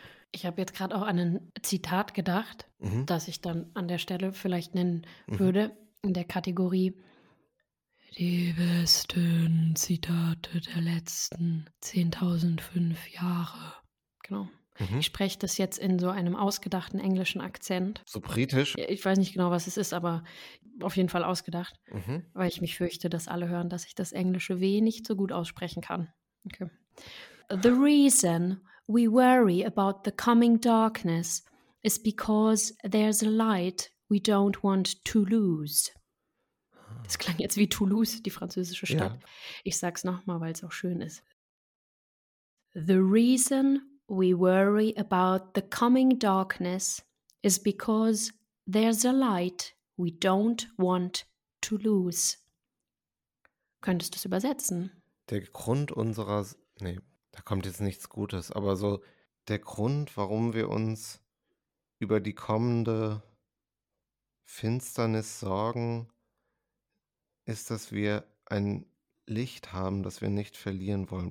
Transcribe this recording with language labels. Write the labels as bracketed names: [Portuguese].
[German] Ich habe jetzt gerade auch an ein Zitat gedacht, das ich dann an der Stelle vielleicht nennen würde, in der Kategorie die besten Zitate der letzten 10.005 Jahre. Genau. Mhm. Ich spreche das jetzt in so einem ausgedachten englischen Akzent. So britisch? Ich weiß nicht genau, was es ist, aber auf jeden Fall ausgedacht, weil ich mich fürchte, dass alle hören, dass ich das Englische wenig so gut aussprechen kann. Okay. [English] The reason we worry about the coming darkness is because there's a light we don't want to lose. [German] Das klang jetzt wie Toulouse, die französische Stadt. Ja. Ich sag's nochmal, weil es auch schön ist. [English] The reason we worry about the coming darkness is because there's a light we don't want to lose. [German] Könntest du es übersetzen? Der Grund unserer... Nee. Da kommt jetzt nichts Gutes, aber so der Grund, warum wir uns über die kommende Finsternis sorgen, ist, dass wir ein Licht haben, das wir nicht verlieren wollen.